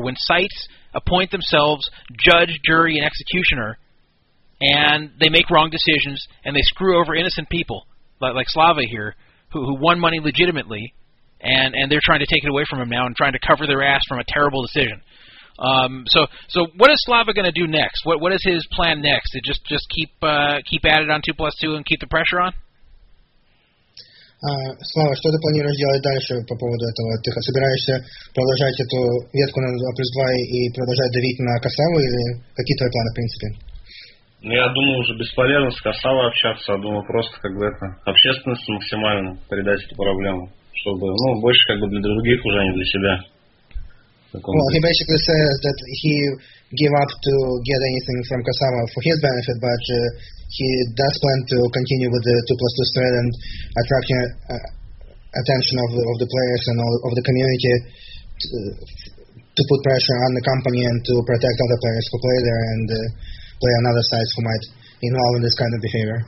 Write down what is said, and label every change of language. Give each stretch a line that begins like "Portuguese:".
English: When sites appoint themselves judge, jury, and executioner, and they make wrong decisions, and they screw over innocent people, like Slava here, who won money legitimately, and they're trying to take it away from him now and trying to cover their ass from a terrible decision. So what is Slava going to do next? What is his plan next? To just keep at it on 2+2 and keep the pressure on?
Russian: Слава, что ты планируешь делать дальше по поводу этого? Ты собираешься продолжать эту ветку на 2 плюс 2 и продолжать давить на Касаву или какие твои планы, в принципе? Ну, я думаю, уже бесполезно с Касавой общаться, а думаю, просто как бы это общественность максимально передать эту проблему, чтобы, ну, больше как бы для других уже, а не для себя.
English: Well, he basically says that he gave up to get anything from Kasama for his benefit, but he does plan to continue with the 2+2 thread and attracting attention of the players and all of the community to put pressure on the company and to protect other players who play there and play on other sites who might involve in this kind of behavior.